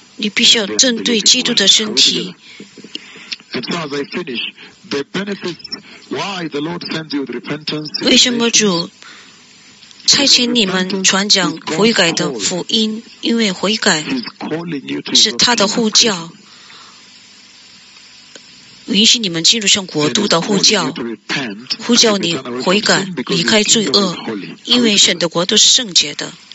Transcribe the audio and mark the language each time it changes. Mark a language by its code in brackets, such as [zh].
[zh] 吞灭了你们的国家，教会也堕落，你们必须要出去，你必须要针对基督的身体。 [en] And so as I finish, the benefits, why the Lord sends you with repentance, [zh] 为什么主 差遣你们传讲悔改的福音, 因为悔改是他的呼叫, 允许你们进入圣国度的呼叫, 呼叫你悔改, 离开罪恶, 因为神的国度是圣洁的,